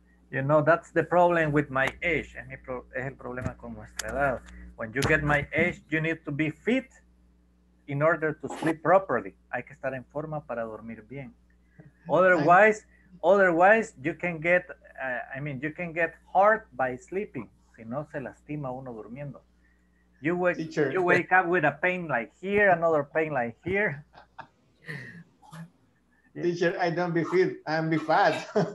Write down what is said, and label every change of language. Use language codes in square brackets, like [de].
[en] You know, that's the problem with my age. [es] Es el problema con nuestra edad. [en] When you get my age, you need to be fit in order to sleep properly. [es] Hay que estar en forma para dormir bien. [en] Otherwise, you can get, you can get hurt by sleeping. [es] Si no, se lastima uno durmiendo. [en] You wake up with a pain like here, another pain like here. Teacher, I don't be fit, I'm be fat.